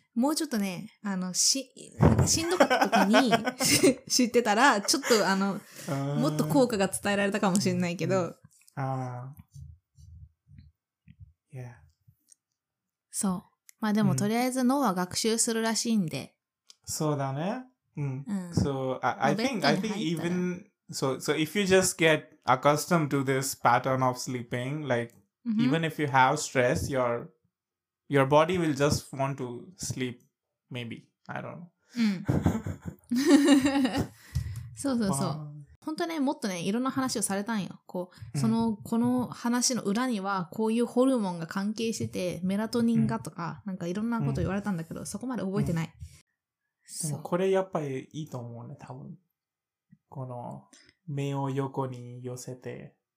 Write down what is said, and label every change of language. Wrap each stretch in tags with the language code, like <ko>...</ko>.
<ja>もうちょっとね、あのし、なんかしんどかった時に知ってたらちょっとあのもっと効果が伝えられたかもしれないけど、うん、ああ、yeah. そう、まあでも、うん、とりあえず脳は学習するらしいんで、そうだね、うん、うん、</ja> <en>so I think even so if you just get accustomed to this pattern of sleeping, like、mm-hmm. even if you have stress, your body will just want to sleep, maybe, I don't know、</en> <ja>うん、そうそうそう、本当ね、もっとね、いろんな話をされたんよ、こうその、うん、この話の裏にはこういうホルモンが関係しててメラトニンがとか、うん、なんかいろんなこと言われたんだけど、うん、そこまで覚えてない、うん、でもこれやっぱりいいと思うね、多分この目を横に寄せて、</ja>